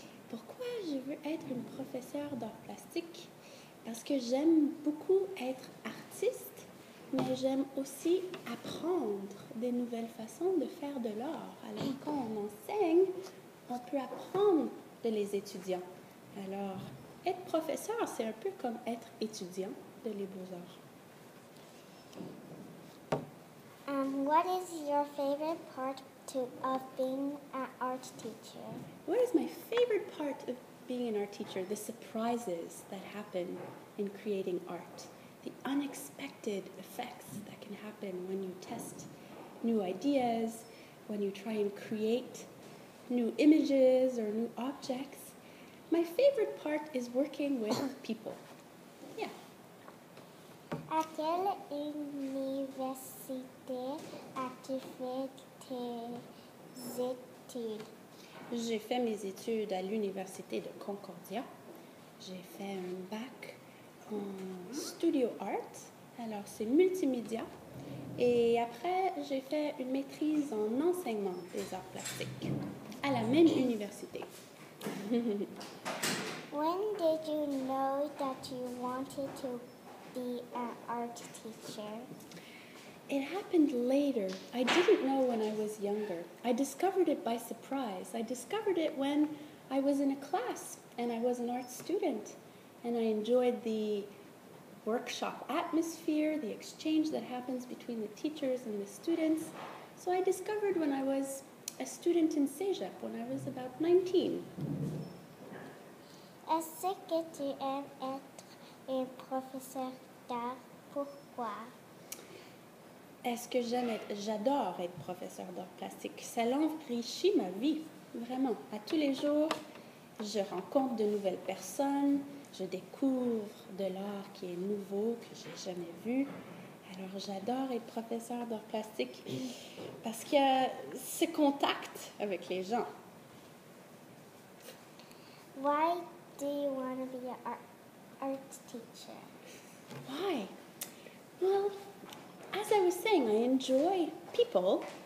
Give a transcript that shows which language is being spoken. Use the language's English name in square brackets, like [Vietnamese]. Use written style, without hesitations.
[French] Pourquoi je veux être une professeure d'art plastique? Parce que j'aime beaucoup être artiste, mais j'aime aussi apprendre des nouvelles façons de faire de l'art. Alors, quand on enseigne, on peut apprendre de les étudiants. Alors, être professeur, c'est un peu comme être étudiant de les beaux-arts. [English] What is your favorite part of being an art teacher? What is my favorite part of being an art teacher? The surprises that happen in creating art. The unexpected effects that can happen when you test new ideas, when you try and create new images or new objects. My favorite part is working with people. Yeah. [French] À quelle université as-tu fait tes études? J'ai fait mes études à l'Université de Concordia. J'ai fait un bac en studio art. Alors, c'est multimédia. Et après, j'ai fait une maîtrise en enseignement des arts plastiques à la même université. [English] When did you know that you wanted to be an art teacher? It happened later. I didn't know when I was younger. I discovered it by surprise. I discovered it when I was in a class and I was an art student. And I enjoyed the workshop atmosphere, the exchange that happens between the teachers and the students. So I discovered when I was a student in Cégep, when I was about 19. [French] Est-ce que tu aimes être un professeur d'art? Pourquoi? Est-ce que j'adore être professeur d'art plastique? Ça enrichit ma vie, vraiment. À tous les jours, je rencontre de nouvelles personnes, je découvre de l'art qui est nouveau, que je n'ai jamais vu. Alors, j'adore être professeur d'art plastique parce qu'il y a ce contact avec les gens. [English] Why do you want to be an art teacher? Why? Well, as I was saying, I enjoy people.